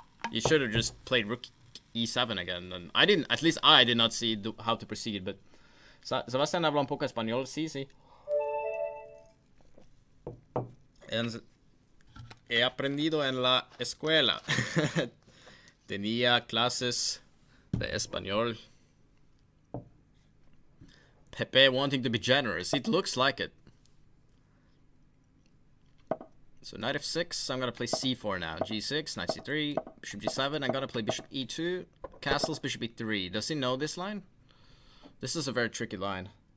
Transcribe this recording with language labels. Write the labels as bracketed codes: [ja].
[en] He should have just played rook e7 again. And I didn't, at least I did not see how to proceed, but... [es] Sebastian habla un poco español, sí, sí. And... He aprendido en la escuela. Tenía clases de español. [en] Pepe wanting to be generous. It looks like it. So knight f6. I'm going to play c4 now. g6, knight c3, bishop g7. I'm going to play bishop e2. Castles bishop e3. Does he know this line? This is a very tricky line.